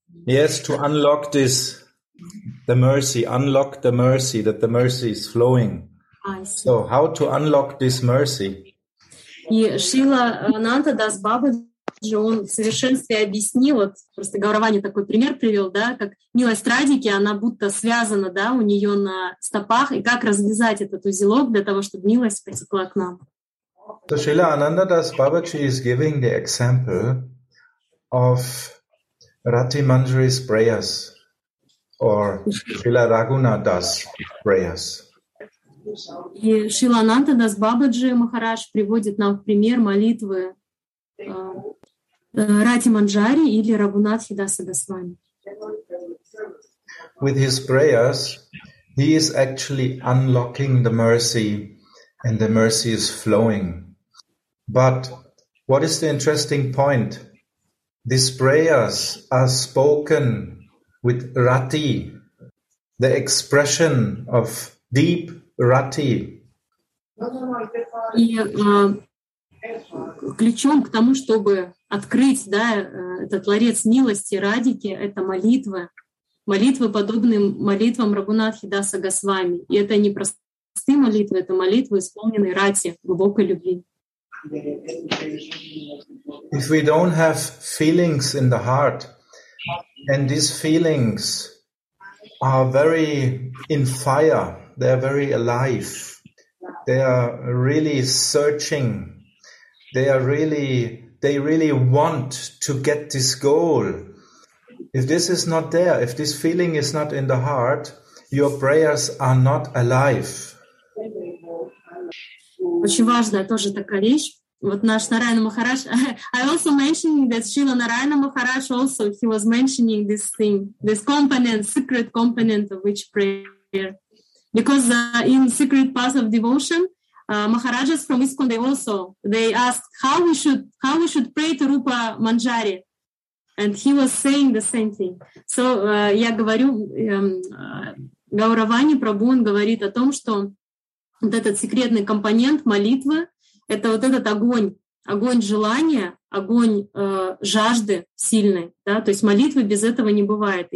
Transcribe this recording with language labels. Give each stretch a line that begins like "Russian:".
English: Yes, to unlock this, the mercy, unlock the mercy, that the mercy is flowing. So how to unlock this mercy?
Russian: И Шрила Нандадас Бабаджи, он в совершенстве объяснил, вот просто Гауравани такой пример привел, да, как милость Радики, она будто связана, да, у нее на стопах, и как развязать этот узелок для того, чтобы милость потекла к нам.
English: So Шрила Нандадас Бабаджи is giving the example of Rati Manjari's prayers or Srila Raghunatha's prayers.
Russian: И Шрила Нандадас Бабаджи Махарадж приводит нам в пример молитвы Рати Манджари или Рагунатхи Даса Госвами.
English: With his prayers, he is actually unlocking the mercy and the mercy is flowing. But what is the interesting point? These prayers are spoken with rati, the expression of deep rati.
Russian: И ключом к тому, чтобы открыть, да, этот ларец милости Радики, это молитвы. Молитвы, подобные молитвам Рагунатхи Даса Госвами. И это не простые молитвы, это молитвы, исполненные рати, глубокой любви.
English: If we don't have feelings in the heart, and these feelings are very in fire. They are very alive. They are really searching. They are really, they really want to get this goal. If this is not there, if this feeling is not in the heart, your prayers are not alive.
Russian: Очень важная тоже такая вещь. Вот наш Нарайана Махарадж.
English: I also mentioned that Srila Narayana Maharaj also, he was mentioning this thing, this component, secret component of each prayer. Because in secret path of devotion, Maharajas from ISKCON, they also, they asked how we should pray to Rupa Manjari. And he was saying the same thing.
Russian: So я говорю, Гауравани Прабху, он говорит о том, что вот этот секретный компонент молитвы, это вот этот огонь, огонь желания, огонь жажды сильной, да, то есть молитвы без этого не бывает.